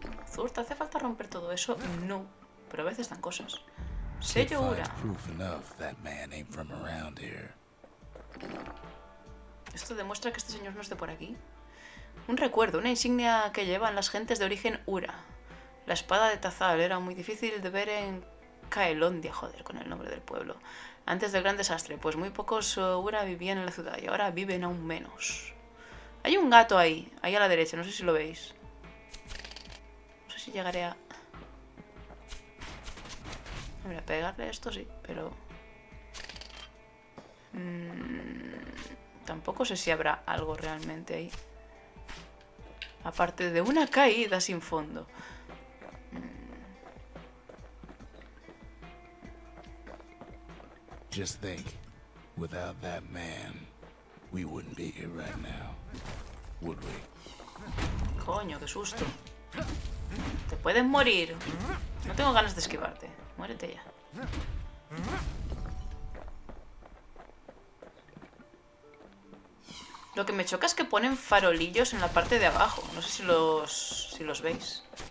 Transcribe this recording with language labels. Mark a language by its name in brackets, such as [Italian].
[Spanish] Zur, ¿te hace falta romper todo eso? No, pero a veces dan cosas. Sello Ura. [English] Proof enough that man ain't from around here. [Spanish] Esto demuestra que este señor no es de por aquí. Un recuerdo, una insignia que llevan las gentes de origen Ura. La espada de Tazal era muy difícil de ver en Caelondia, joder, con el nombre del pueblo. Antes del gran desastre, pues muy pocos Ura vivían en la ciudad y ahora viven aún menos. Hay un gato ahí, ahí a la derecha, no sé si lo veis. No sé si llegaré a... Hombre, a pegarle esto sí, pero... tampoco sé si habrá algo realmente ahí. Aparte de una caída sin fondo. [English] Just think, without that man, we wouldn't be here right now, would we? [Spanish] Coño, qué susto. Te puedes morir. No tengo ganas de esquivarte. Muérete ya. Lo que me choca es que ponen farolillos en la parte de abajo. No sé si los veis.